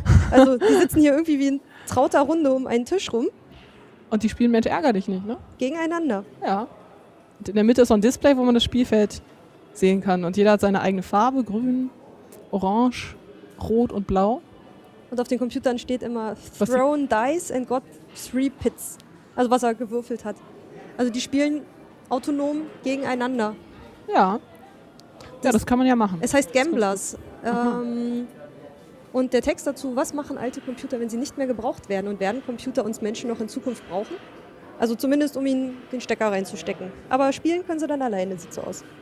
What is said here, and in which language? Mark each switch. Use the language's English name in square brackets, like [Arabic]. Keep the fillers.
[German] Also die sitzen hier irgendwie wie in trauter Runde um einen Tisch rum, Und die spielen Mensch ärger dich nicht, ne? gegeneinander. Ja. Und In der Mitte ist so ein Display, wo man das Spielfeld sehen kann. Und jeder hat seine eigene Farbe: grün, orange, rot und blau. Und auf den Computern steht immer Was die- [English] Thrown Dice and got three pits. [German] Also was er gewürfelt hat. Also die spielen autonom gegeneinander. Ja. ja, Das- das kann man ja machen. Es heißt Gamblers. Ähm, und der Text dazu, was machen alte Computer, wenn sie nicht mehr gebraucht werden und werden Computer uns Menschen noch in Zukunft brauchen? Also zumindest, um ihnen den Stecker reinzustecken. Aber spielen können sie dann alleine, sieht so aus.